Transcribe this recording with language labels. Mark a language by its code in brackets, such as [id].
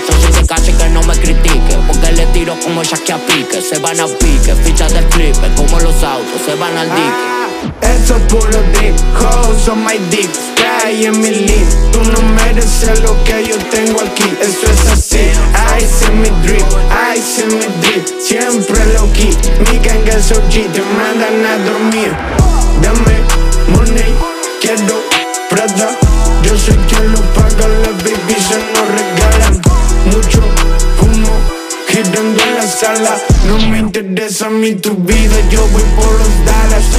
[es] Yo soy de calle que no me critique, porque le tiro como ya que a pique. Se van a pique, fichas de flipper, como los autos se van al dique. Eso es puro dick, [en] hoes on my dick, sky in my lip. [es] Tú no mereces lo que yo tengo aquí, eso es así. [en] Ice in my drip, ice in my drip. [es] Siempre low key, mi gang es OG, te mandan a dormir. Dame money, quiero Prada. Yo soy quien lo paga, las babies se nos regalan. Mucho humo, girando en la sala. No me interesa a mí tu vida, yo voy por los Dallas.